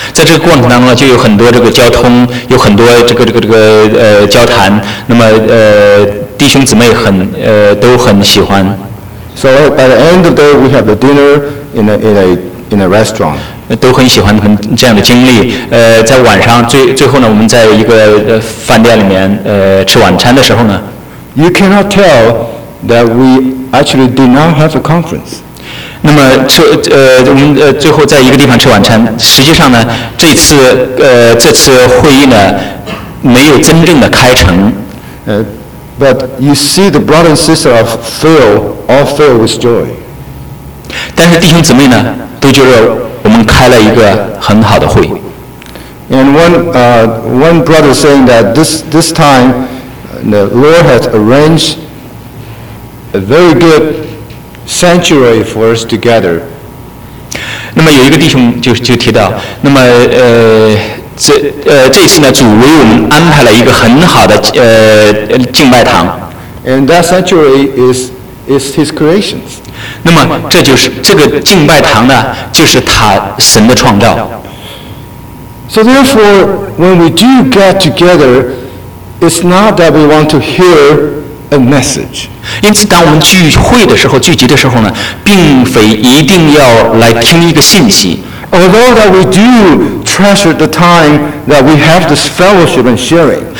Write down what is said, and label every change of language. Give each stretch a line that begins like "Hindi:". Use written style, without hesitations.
Chinese: 在这个过程当中呢，就有很多这个交通，有很多这个交谈。那么弟兄姊妹都很喜欢。
English: So by the end of the day, we have a dinner in a restaurant.
Chinese: 都很喜欢他们这样的经历。在晚上最后呢，我们在一个饭店里面吃晚餐的时候呢
English: ，You cannot tell that we actually did not have a conference。
Chinese: 那么吃我们最后在一个地方吃晚餐，实际上呢这次这次会议呢没有真正的开成。
English: But you see the brother and sister are filled, all filled with joy.
Chinese: 但是弟兄姊妹呢都觉得我们开了一个很好的会。
English: And one brother saying that this time the Lord has arranged a very good sanctuary for us together.
Chinese: 那么有一个弟兄就提到，那么这次呢，主为我们安排了一个很好的敬拜堂。
English: And that sanctuary is His creation.
Chinese: 那么这就是这个敬拜堂呢，就是他神的创造。
English: So therefore, when we do get together, it's not that we want to hear a message.
Chinese: 因此，当我们聚会的时候、聚集的时候呢，并非一定要来听一个信息。
English: Although that we do treasure the time that we have this fellowship and sharing.